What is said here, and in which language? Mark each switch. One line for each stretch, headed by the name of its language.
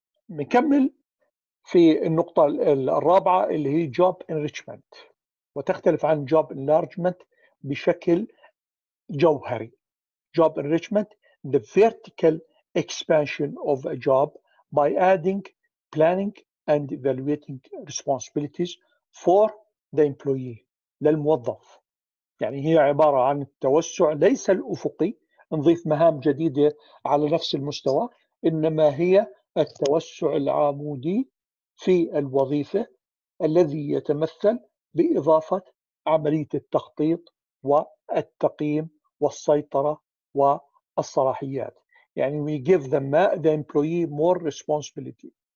Arabic: نكمل في النقطة الرابعة اللي هي job enrichment، وتختلف عن job enlargement بشكل جوهري.
English: job enrichment the vertical expansion of a job by adding planning and evaluating responsibilities for the employee،
Arabic: للموظف. يعني هي عبارة عن التوسع ليس الأفقي، نضيف مهام جديدة على نفس المستوى، إنما هي التوسع العمودي في الوظيفة الذي يتمثل بإضافة عملية التخطيط والتقييم والسيطرة والصلاحيات.
English: يعني we give them the employee more responsibility.